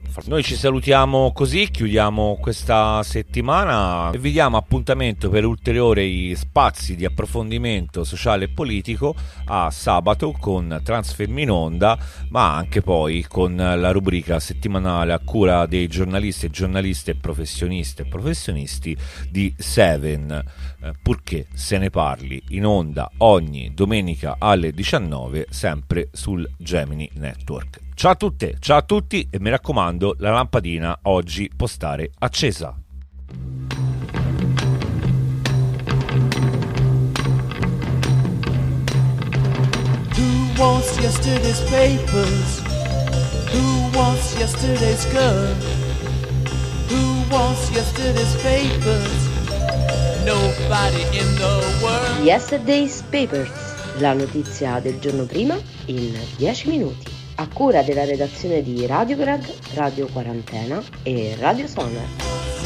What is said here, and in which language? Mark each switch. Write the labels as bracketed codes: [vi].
[it] Noi ci salutiamo così, chiudiamo questa settimana e vi diamo appuntamento per ulteriori spazi di approfondimento sociale e politico a sabato con Transfemminonda, ma anche poi con la rubrica settimanale a cura dei giornalisti e giornaliste professioniste e professionisti di Seven, purché se ne parli, in onda ogni domenica alle 19 sempre sul Gemini Network. Ciao a tutte, ciao a tutti, e mi raccomando, la lampadina oggi può stare accesa. [en] Who wants yesterday's papers? Who wants yesterday's gun? Who wants yesterday's papers? Nobody in the world. [it] Yesterday's papers, la notizia del giorno prima in 10 minuti. A cura della redazione di Radiograd, Radio Quarantena e Radio Sonar.